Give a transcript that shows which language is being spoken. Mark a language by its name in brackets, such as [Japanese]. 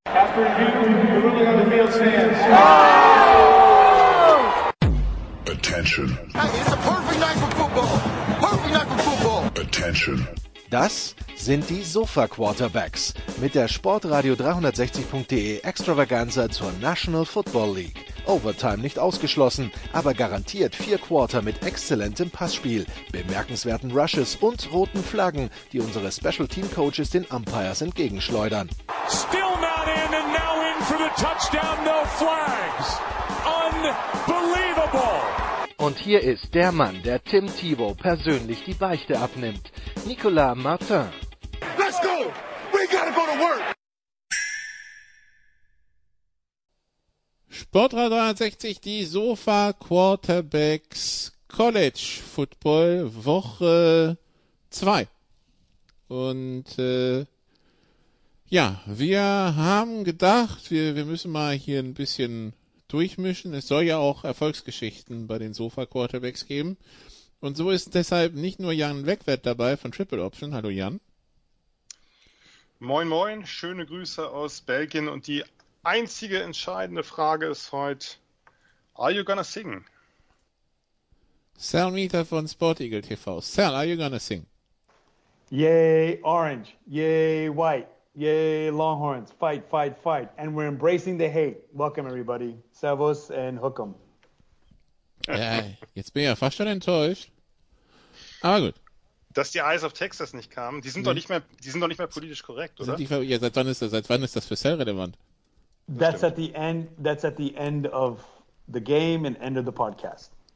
[English] After you, the ruling on the field stands. Attention. Hey, it's a perfect night for football. Perfect night for football. Attention. [German] Das sind die Sofa-Quarterbacks mit der Sportradio360.de Extravaganza zur National Football League. Overtime nicht ausgeschlossen, aber garantiert vier Quarter mit exzellentem Passspiel, bemerkenswerten Rushes und roten Flaggen, die unsere Special Team Coaches den Umpires entgegenschleudern. [English] Still not in and now in for the touchdown, no flags. Unbelievable. [German] Und hier ist der Mann, der Tim Tebow persönlich die Beichte abnimmt. Nicolas Martin. [English] Let's go! We gotta go to work! [German] Sportrad 360, die Sofa Quarterbacks College Football Woche 2. Und ja, wir haben gedacht, wir müssen mal hier ein bisschen durchmischen. Es soll ja auch Erfolgsgeschichten bei den Sofa Quarterbacks geben. Und so ist deshalb nicht nur Jan Wegwert dabei von Triple Option. Hallo Jan. Moin Moin, schöne Grüße aus Belgien. Und die einzige entscheidende Frage ist heute, [English] are you gonna sing? [German] Sal Mieter von SportEagle TV. [English] Sal, are you gonna sing? Yay Orange, yay White, yay Longhorns, fight, fight, fight. And we're embracing the hate. Welcome everybody. Servus and hook'em. [German] Ja, jetzt bin ich ja fast schon enttäuscht. Aber gut. Dass die Eyes of Texas nicht kamen, die sind doch nicht mehr, die sind doch nicht mehr politisch korrekt, oder? Seit wann ist das für Cell relevant? [English] That's at the end of the game and end of the podcast.